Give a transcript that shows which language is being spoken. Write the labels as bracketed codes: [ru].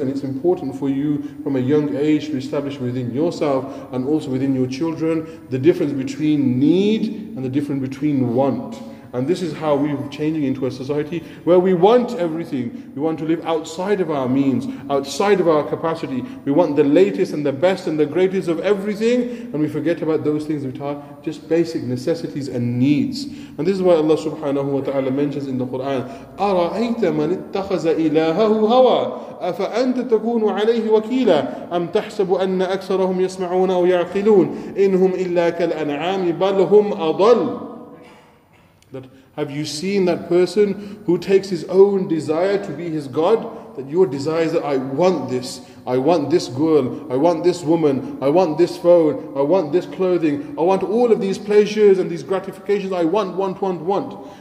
[en] And it's important for you from a young age to establish within yourself and also within your children the difference between need and the difference between want. And this is how we're changing into a society where we want everything. We want to live outside of our means, outside of our capacity. We want the latest and the best and the greatest of everything. And we forget about those things which are just basic necessities and needs. [ar] And this is why Allah subhanahu wa ta'ala mentions in the Quran, أَرَأَيْتَ مَنِ اتَّخَذَ إِلَاهَهُ هَوَى أَفَأَنْتَ تَكُونُ عَلَيْهِ وَكِيلًا أَمْ تَحْسَبُ أَنَّ أَكْثَرَهُمْ يَسْمَعُونَ أَوْ يَعْقِلُونَ إِنْ هُمْ إِلَّا كَالْأَنْعَامِ بَلْ هُمْ أَضَلُّ. [en] That have you seen that person who takes his own desire to be his God? That your desire is that I want this. I want this girl. I want this woman. I want this phone. I want this clothing. I want all of these pleasures and these gratifications. I want, want, want, want.